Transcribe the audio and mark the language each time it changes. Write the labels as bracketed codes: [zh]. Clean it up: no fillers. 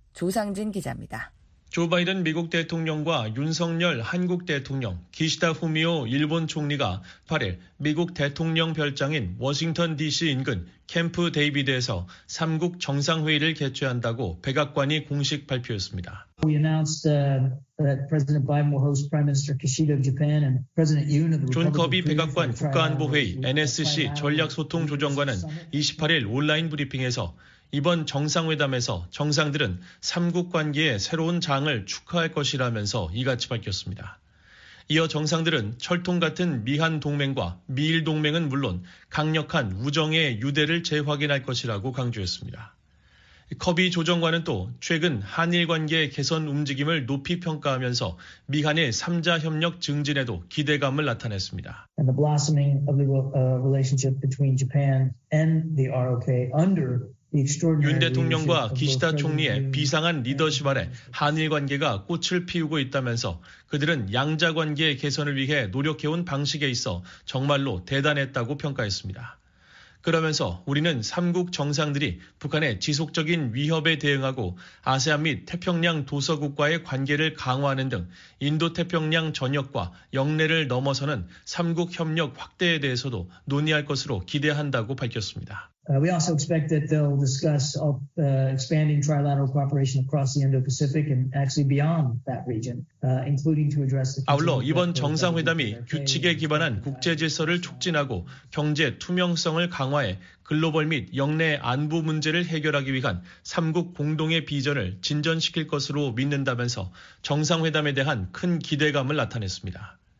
[ko] 조상진 기자입니다. 조 바이든 미국 대통령과 윤석열 한국 대통령, 기시다 후미오 일본 총리가 8일 미국 대통령 별장인 워싱턴 DC 인근 캠프 데이비드에서 3국 정상회의를 개최한다고 백악관이 공식 발표했습니다. [en] We announced that President Biden will host Prime Minister Kishida of Japan and President Yoon of the Republic of Korea. [ko] 존 커비 백악관 국가안보회의 NSC 전략소통조정관은 28일 온라인 브리핑에서 이번 정상회담에서 정상들은 3국 관계의 새로운 장을 축하할 것이라면서 이같이 밝혔습니다. 이어 정상들은 철통 같은 미한 동맹과 미일 동맹은 물론 강력한 우정의 유대를 재확인할 것이라고 강조했습니다. 커비 조정관은 또 최근 한일 관계의 개선 움직임을 높이 평가하면서 미한의 3자 협력 증진에도 기대감을 나타냈습니다. [en] And the blossoming of the relationship between Japan and the ROK under [ko] 윤 대통령과 기시다 총리의 비상한 리더십 아래 한일 관계가 꽃을 피우고 있다면서 그들은 양자 관계의 개선을 위해 노력해온 방식에 있어 정말로 대단했다고 평가했습니다. 그러면서 우리는 3국 정상들이 북한의 지속적인 위협에 대응하고 아세안 및 태평양 도서국과의 관계를 강화하는 등 인도태평양 전역과 영내를 넘어서는 3국 협력 확대에 대해서도 논의할 것으로 기대한다고 밝혔습니다. [en] We also expect that they'll discuss expanding trilateral cooperation across the Indo-Pacific and actually beyond that region, including to address the. [ko] 아울러 이번 정상회담이 규칙에 기반한 국제 질서를 촉진하고 경제 투명성을 강화해 글로벌 및 영내 안보 문제를 해결하기 위한 3국 공동의 비전을 진전시킬 것으로 믿는다면서 정상회담에 대한 큰 기대감을 나타냈습니다.